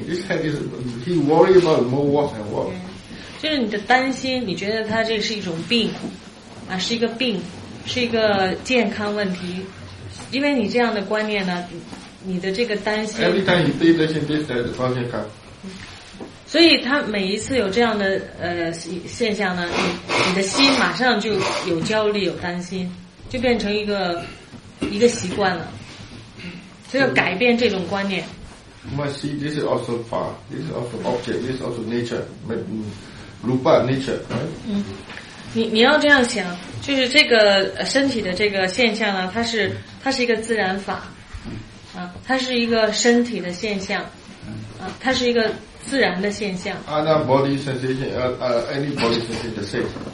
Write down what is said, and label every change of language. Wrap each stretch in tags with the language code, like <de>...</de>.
<en>This head is he worry about more what and what. Okay.</en> <zh>就是你的担心，你觉得它这是一种病，啊，是一个病，是一个健康问题，因为你这样的观念呢。你的这个担心</zh> <en>every time you see this and this the problem comes</en> <zh>所以他每一次有这样的现象呢 你的心马上就有焦虑有担心就变成一个习惯了所以要改变这种观念</zh> <en>you must see this is also far this is also object this is also nature rupa nature right?</en> <zh>你要这样想就是这个身体的这个现象呢它是一个自然法啊、它是一个身体的现象、啊、它是一个自然的现象</zh> <en>Other body sensation any body sensation the same</en>